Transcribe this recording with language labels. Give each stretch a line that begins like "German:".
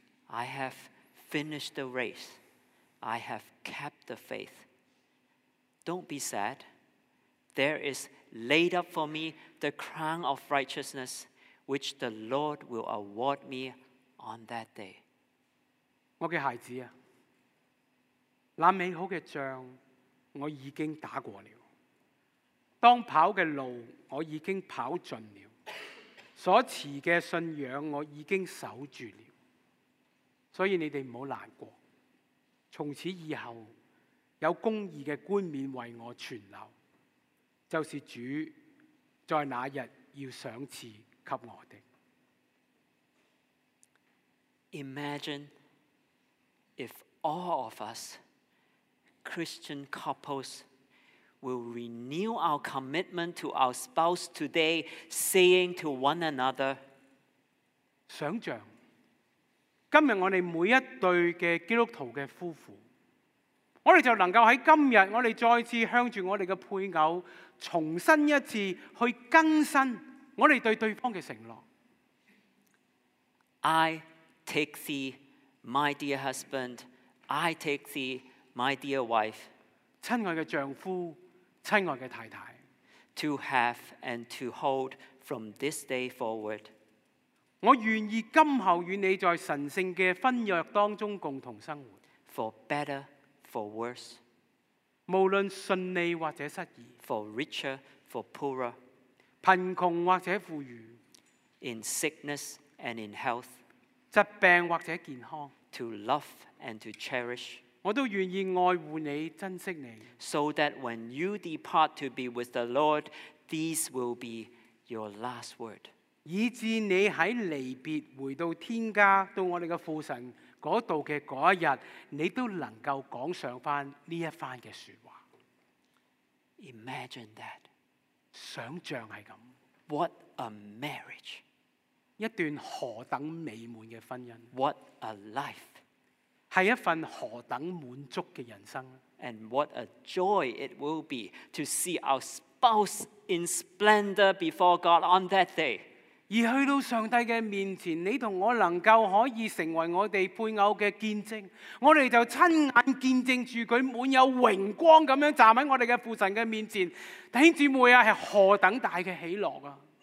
English: I have finished the race. I have kept the faith. Don't be sad. There is laid up for me the crown of righteousness, which the Lord will award me on that day.
Chinese: 我的孩子啊，那美好的仗我已经打过了，当跑的路我已经跑尽了，所持的信仰我已经守住了，所以你们不要难过，从此以后有公义的冠冕为我存留，就是主在那日要赏赐给我的。
English: Imagine if all of us, Christian couples, will renew our commitment to our spouse today, saying to one another,
Chinese: 想象，今日我们每一对的基督徒的夫妇，我们就能够在今日，我们再次向着我们的配偶，重新一次去更新我们对对方的承诺。
English: I take thee, my dear husband,I take thee, my dear wife,
Chinese: 親愛的丈夫，親愛的太太,
English: to have and to hold from this day forward.
Chinese: 我願意今後與你在神聖的婚約當中共同生活,
English: for better, for worse,
Chinese: 無論順利或者失意,
English: for richer, for poorer,
Chinese: 貧窮或者富裕,
English: in sickness and in health,
Chinese: 疾病或者健康,
English: to love and to cherish,
Chinese: 我都愿意爱护你，珍惜你。
English: So that when you depart to be with the Lord, these will be your last word.
Chinese: 以致你在离别回到天家，到我们的父神那里的那一日，你都能够讲上翻这一番的说话。
English: Imagine that.
Chinese: 想象是这样。
English: What a marriage.
Chinese: 一段何等美满的婚姻。
English: What a life.
Chinese: 是一份何等满足的人生。
English: And what a joy it will be to see our spouse in splendor before God on that day.
Chinese: 而去到上帝的面前，你和我能够可以成为我们配偶的见证，我们就亲眼见证着他满有荣光地站在我们的父神的面前。弟兄姊妹，是何等大的喜乐啊。